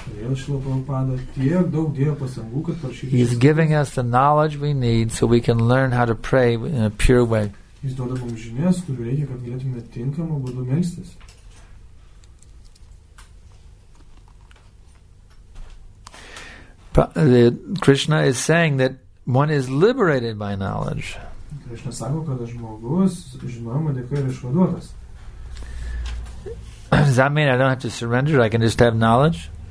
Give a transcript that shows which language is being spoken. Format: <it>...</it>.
<en>He's giving us the knowledge we need so we can learn how to pray in a pure way. Krishna is saying that one is liberated by knowledge.</en> <lt>Krishna sako, kad žmogus žinojimo dėka yra išvaduotas.</lt> <en>Does that mean I don't have to surrender? I can just have knowledge?</en>